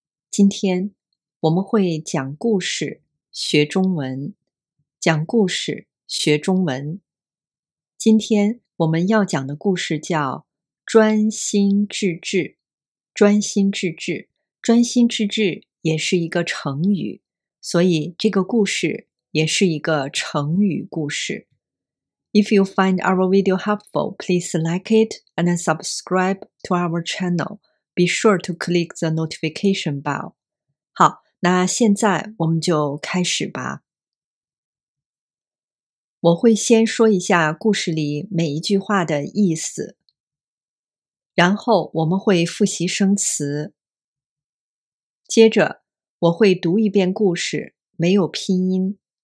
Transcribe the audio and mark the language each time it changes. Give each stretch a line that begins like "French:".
Chinese: 今天我们会讲故事学中文，讲故事学中文。今天我们要讲的故事叫专心致志，专心致志，专心致志也是一个成语，所以这个故事也是一个成语故事。
English: If you find our video helpful, please like it and subscribe to our channel. Be sure to click the notification bell.
Chinese: 好，那现在我们就开始吧。我会先说一下故事里每一句话的意思，然后我们会复习生词。接着，我会读一遍故事，没有拼音。